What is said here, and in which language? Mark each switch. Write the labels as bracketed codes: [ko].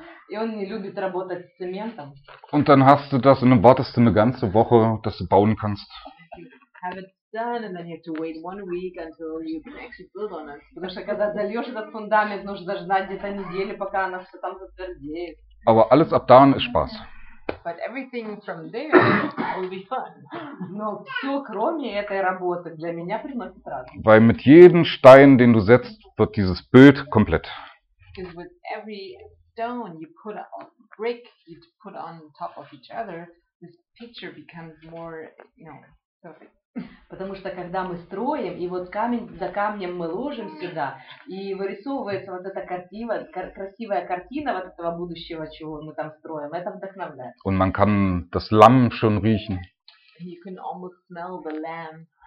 [ru] И он не любит работать с цементом. [de] Und dann hast du das und dann wartest du eine ganze Woche, dass du bauen kannst. [en] Have it done and then you have to wait one week until you can actually build on it. [ru] Потому что когда зальешь этот фундамент, нужно ждать где-то неделю, пока она все там затвердеет. [de] Aber alles ab dann ist Spaß. [en] But everything from there will be fun. [ru] Но все кроме этой работы для меня приносит радость. [de] Weil mit jedem Stein, den du setzt, wird dieses Bild komplett. [en] Because with every stone you put on brick, you put on top of each other, this picture becomes more, you know, perfect. [ru] Потому что когда мы строим, и вот камень за камнем мы ложим сюда, и вырисовывается вот эта картина, красивая картина вот этого будущего, чего мы там строим, это вдохновляет. [de] Und man kann das Lamm schon riechen. [en] You can almost smell the lamb.